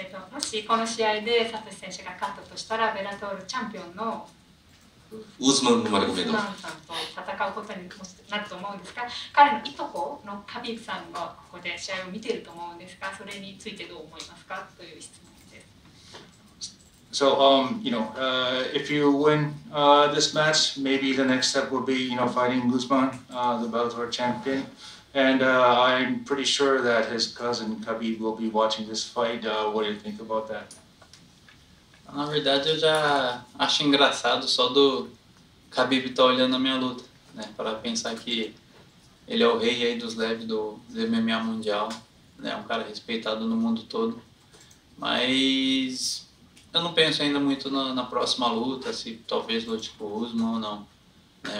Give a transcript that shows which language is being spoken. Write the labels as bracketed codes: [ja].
[ja] もしこの試合でサトシ選手が勝ったとしたら、ベラトールチャンピオンのウズマン・ヌマルゴメドフさんと戦うことになると思うんですが、彼のいとこのカビフさんがここで試合を見ていると思うんですが、それについてどう思いますかという質問です。 [en] So, you know, if you win this match, maybe the next step will be, you know, fighting Guzman, the Bellator champion. And I'm pretty sure that his cousin Khabib will be watching this fight. What do you think about that? [pt] Na verdade, eu já acho engraçado só do Khabib estar olhando a minha luta, né? Para pensar que ele é o rei aí dos leves do MMA mundial, né? Um cara respeitado no mundo todo. Mas eu não penso ainda muito na próxima luta, se talvez lute com o Usman ou não. Né?